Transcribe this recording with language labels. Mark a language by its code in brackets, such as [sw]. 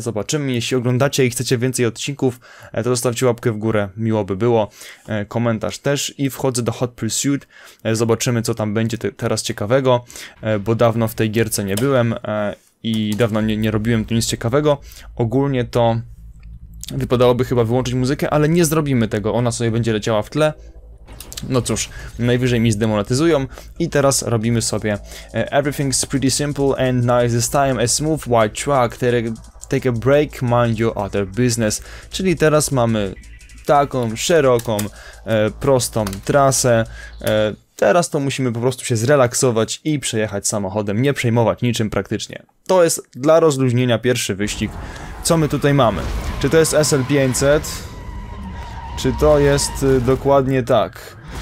[pl] Zobaczymy, jeśli oglądacie i chcecie więcej odcinków, to zostawcie łapkę w górę, miło by było, komentarz też i wchodzę do Hot Pursuit, zobaczymy, co tam będzie teraz ciekawego, bo dawno w tej gierce nie byłem, i dawno nie robiłem tu nic ciekawego. Ogólnie to wypadałoby chyba wyłączyć muzykę, ale nie zrobimy tego, ona sobie będzie leciała w tle. No cóż, najwyżej mi zdemonetyzują. I teraz robimy sobie [en] Everything's pretty simple and nice this time. A smooth white truck, take a break, mind your other business. [pl] Czyli teraz mamy taką szeroką, prostą trasę. Teraz to musimy po prostu się zrelaksować i przejechać samochodem, nie przejmować niczym praktycznie. To jest dla rozluźnienia pierwszy wyścig. Co my tutaj mamy? Czy to jest SL500? Czy to jest dokładnie tak?